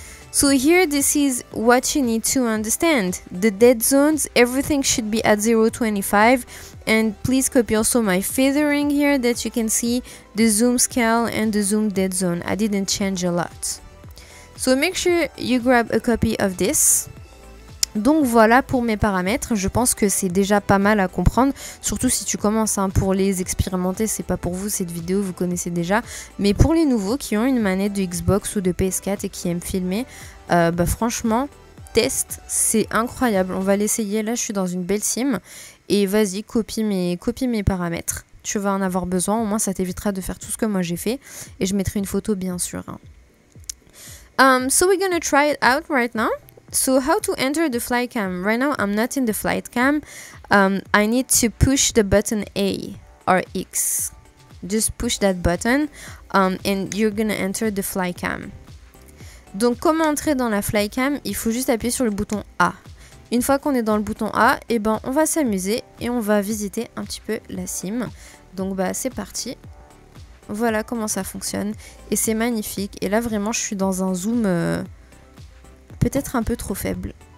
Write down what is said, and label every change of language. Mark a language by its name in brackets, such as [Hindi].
[English] So here, this is what you need to understand. The dead zones, everything should be at 0.25. And please copy also my feathering here that you can see the zoom scale and the zoom dead zone. I didn't change a lot. So make sure you grab a copy of this. [French] Donc voilà pour mes paramètres. Je pense que c'est déjà pas mal à comprendre. Surtout si tu commences, hein, pour les expérimenter, c'est pas pour vous cette vidéo, vous connaissez déjà. Mais pour les nouveaux qui ont une manette de Xbox ou de PS4 et qui aiment filmer, bah franchement, test, c'est incroyable. On va l'essayer, là je suis dans une belle sim. Et vas-y, copie mes paramètres. tu vas en avoir besoin. Au moins, ça t'évitera de faire tout ce que moi j'ai fait. Et je mettrai une photo, bien sûr. [English] So we're gonna try it out right now. So how to enter the flight cam? Right now, I'm not in the flight cam. I need to push the button A or X. Just push that button and you're gonna enter the flight cam. [French] Donc, comment entrer dans la flight cam? Il faut juste appuyer sur le bouton A. Une fois qu'on est dans le bouton A, eh ben, on va s'amuser et on va visiter un petit peu la sim. Donc, bah, c'est parti. Voilà comment ça fonctionne. Et c'est magnifique. Et là, vraiment, je suis dans un zoom peut-être un peu trop faible.